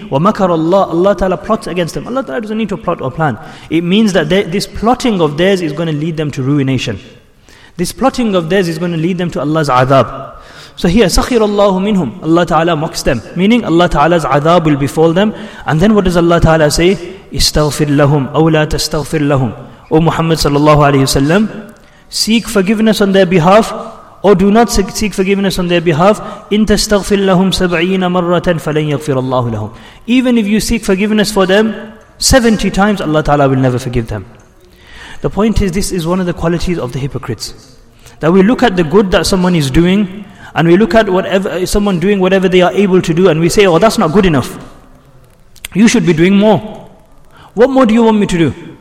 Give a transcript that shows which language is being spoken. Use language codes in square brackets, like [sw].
[ar] وَمَكَرُ اللَّهُ, [en] Allah ta'ala plots against them. Allah ta'ala doesn't need to plot or plan. It means that this plotting of theirs is going to lead them to ruination. This plotting of theirs is going to lead them to Allah's adab. So here, [ar] سَخِرَ اللَّهُ مِنْهُمْ, [en] Allah ta'ala mocks them, meaning Allah ta'ala's adab will befall them. And then what does Allah ta'ala say? [ar] استغفر لهم أو لا تستغفر لهم. [en] O Muhammad sallallahu alayhi wa sallam, seek forgiveness on their behalf or do not seek forgiveness on their behalf. [ar] إن تستغفر لهم سبعين مرة فلن يغفر الله لهم. [en] Even if you seek forgiveness for them 70 times, Allah ta'ala will never forgive them. The point is, this is one of the qualities of the hypocrites, that we look at the good that someone is doing and we look at whatever someone doing, whatever they are able to do, and we say, oh, that's not good enough, you should be doing more. What more do you want me to do?